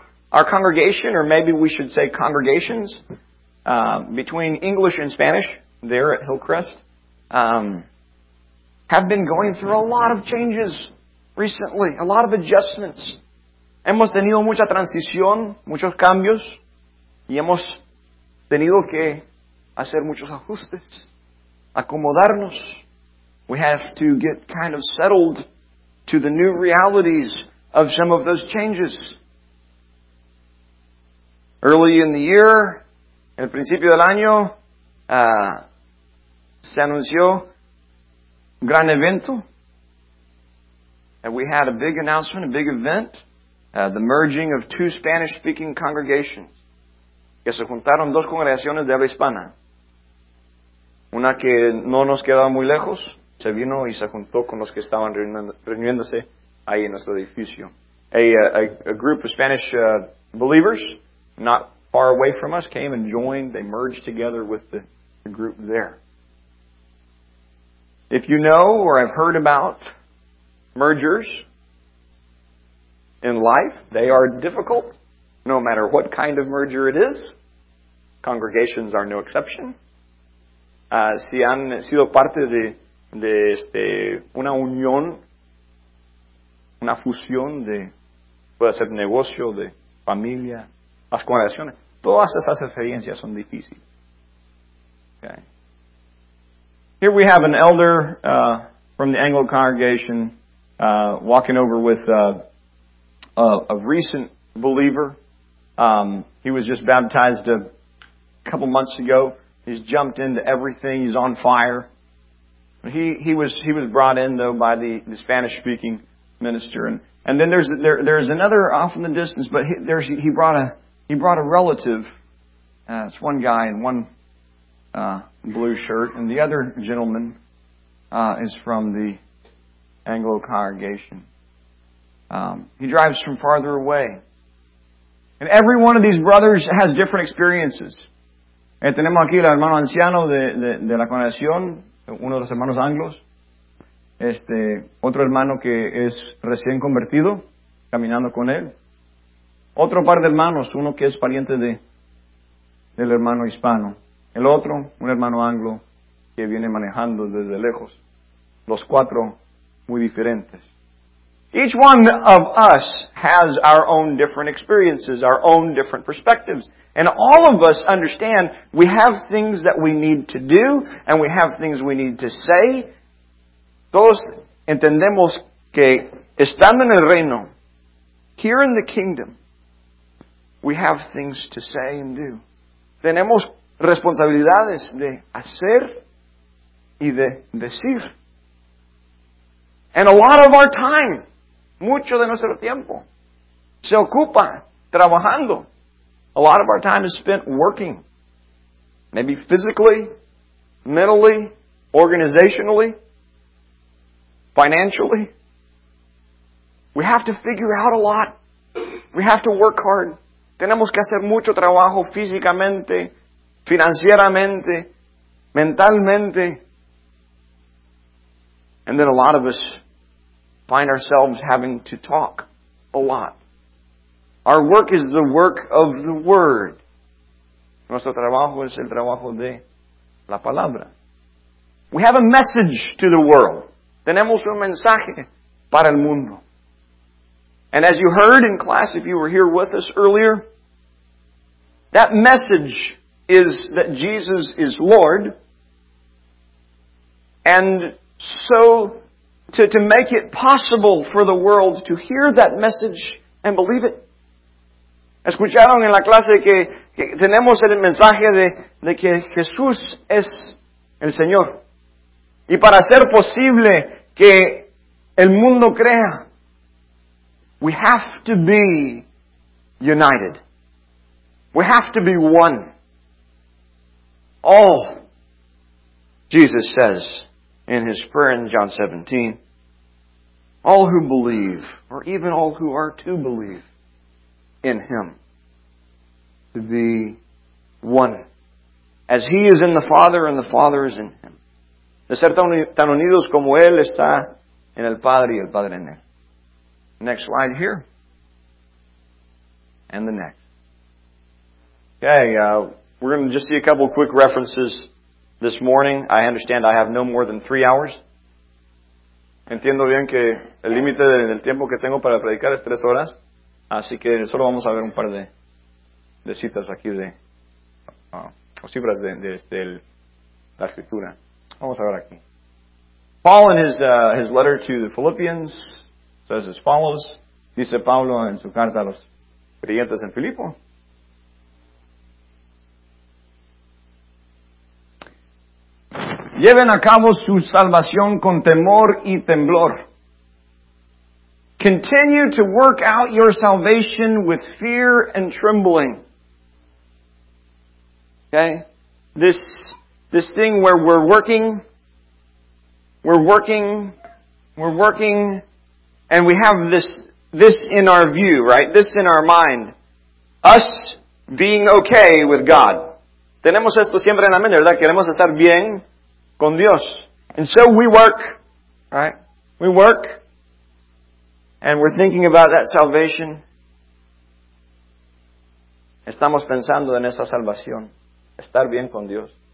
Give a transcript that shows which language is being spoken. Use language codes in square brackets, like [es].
[en] our congregation, or maybe we should say congregations, between English and Spanish, there at Hillcrest, have been going through a lot of changes recently, a lot of adjustments. [es] Hemos tenido mucha transición, muchos cambios, y hemos tenido que hacer muchos ajustes, acomodarnos. [en] We have to get kind of settled to the new realities of some of those changes. Early in the year, [es] el principio del año, se anunció gran evento. [en] And we had a big announcement, a big event. The merging of two Spanish-speaking congregations. [es] Que se juntaron dos congregaciones de habla hispana. Una que no nos quedaba muy lejos, se vino y se juntó con los que estaban reuniéndose ahí en nuestro edificio. [en] A group of Spanish believers, not far away from us, came and joined. They merged together with the group there. If you know or have heard about mergers in life, they are difficult, no matter what kind of merger it is. Congregations are no exception. [es] Si han sido parte de una unión, una fusión de, puede ser negocio, de familia, las congregaciones, todas esas experiencias son difíciles. [en] Okay. Here we have an elder from the Anglo congregation walking over with a recent believer. He was just baptized a couple months ago. He's jumped into everything. He's on fire. He was brought in though by the Spanish speaking minister. And then there's another off in the distance. But he brought a relative. It's one guy in one blue shirt, and the other gentleman is from the Anglo congregation. He drives from farther away, and every one of these brothers has different experiences. [es] Tenemos aquí el hermano anciano de la congregación, uno de los hermanos anglos, otro hermano que es recién convertido, caminando con él, otro par de hermanos, uno que es pariente del hermano hispano, el otro, un hermano anglo, que viene manejando desde lejos, los cuatro muy diferentes. [en] Each one of us has our own different experiences, our own different perspectives. And all of us understand we have things that we need to do and we have things we need to say. [es] Todos entendemos que estando en el reino, [en] here in the kingdom, we have things to say and do. [es] Tenemos responsabilidades de hacer y de decir. [en] And a lot of our time, [es] mucho de nuestro tiempo, se ocupa trabajando. [en] A lot of our time is spent working. Maybe physically, mentally, organizationally, financially. We have to figure out a lot. We have to work hard. [es] Tenemos que hacer mucho trabajo físicamente, financieramente, mentalmente. [en] And then a lot of us find ourselves having to talk a lot. Our work is the work of the Word. [es] Nuestro trabajo es el trabajo de la palabra. [en] We have a message to the world. [es] Tenemos un mensaje para el mundo. [en] And as you heard in class, if you were here with us earlier, that message is that Jesus is Lord. And so, to make it possible for the world to hear that message and believe it, [es] escucharon en la clase que tenemos el mensaje de que Jesús es el Señor. Y para hacer posible que el mundo crea, [en] we have to be united. We have to be one. All, Jesus says in his prayer in John 17, all who believe, or even all who are to believe in him, to be one, as he is in the Father and the Father is in him. [es] De ser tan unidos como él está en el Padre y el Padre en él. [en] Next slide here. And the next. Okay, we're going to just see a couple quick references this morning. I understand I have no more than 3 hours. [es] Entiendo bien que el límite del tiempo que tengo para predicar es 3 horas. Así que solo vamos a ver un par de citas aquí o cifras de la escritura. Vamos a ver aquí. [en] Paul in his letter to the Philippians says as follows. [es] Dice Pablo en su carta a los creyentes en Filipo. Lleven a cabo su salvación con temor y temblor. [en] Continue to work out your salvation with fear and trembling. Okay? This thing where we're working, and we have this in our view, right? This in our mind. Us being okay with God. [es] Tenemos esto siempre en la mente, ¿verdad? Queremos estar bien con Dios. [en] And so we work, right? We work, and we're thinking about that salvation. [es] Estamos pensando en esa salvación, estar bien con Dios.